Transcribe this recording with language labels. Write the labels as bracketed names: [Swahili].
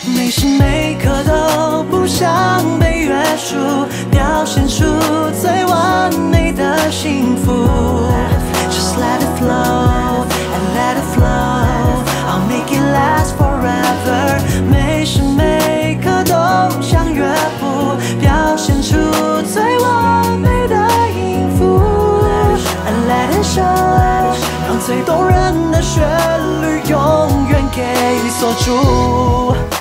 [Chinese] 每时每刻都不想被约束，表现出最完美的幸福。 [English] Just let it flow and let it flow, I'll make it last forever。 [Chinese] 每时每刻都想乐谱，表现出最完美的音符。 [English] Let it show, [Chinese] 让最动人的旋律永远给锁住。